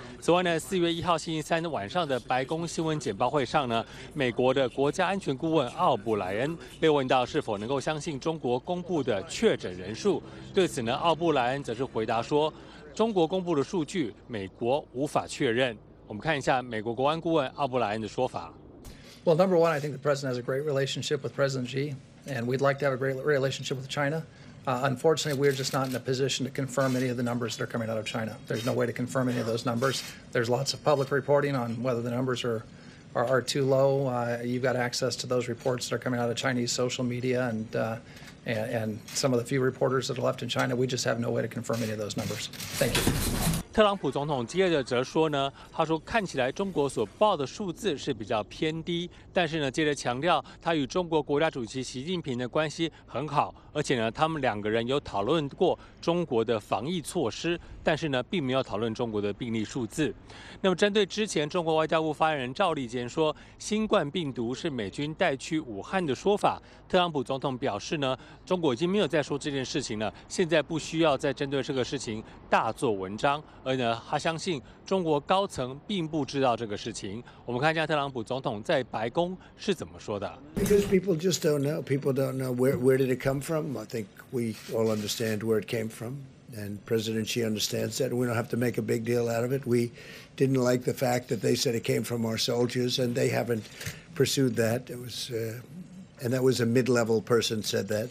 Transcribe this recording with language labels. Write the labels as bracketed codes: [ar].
[zh] 此外呢，4月1号星期三晚上的白宫新闻简报会上呢，美国的国家安全顾问奥布莱恩被问到是否能够相信中国公布的确诊人数，对此呢，奥布莱恩则是回答说，中国公布的数据，美国无法确认。我们看一下美国国安顾问奥布莱恩的说法。 [en] Well, number one, I think the president has a great relationship with President Xi. And we'd like to have a great relationship with China. Unfortunately, we're just not in a position to confirm any of the numbers that are coming out of China. There's no way to confirm any of those numbers. There's lots of public reporting on whether the numbers are too low. You've got access to those reports that are coming out of Chinese social media and some of the few reporters that are left in China. We just have no way to confirm any of those numbers. Thank you. [zh] 特朗普总统接着则说呢，他说看起来中国所报的数字是比较偏低，但是呢，接着强调他与中国国家主席习近平的关系很好，而且呢，他们两个人有讨论过中国的防疫措施，但是呢，并没有讨论中国的病例数字。那么针对之前中国外交部发言人赵立坚说新冠病毒是美军带去武汉的说法，特朗普总统表示呢，中国已经没有再说这件事情了，现在不需要再针对这个事情大做文章。而呢，他相信中国高层并不知道这个事情。我们看一下特朗普总统在白宫是怎么说的。 [en] Because people just don't know. People don't know where did it come from. I think we all understand where it came from, and President Xi understands that. We don't have to make a big deal out of it. We didn't like the fact that they said it came from our soldiers, and they haven't pursued that. It was, and that was a mid-level person said that.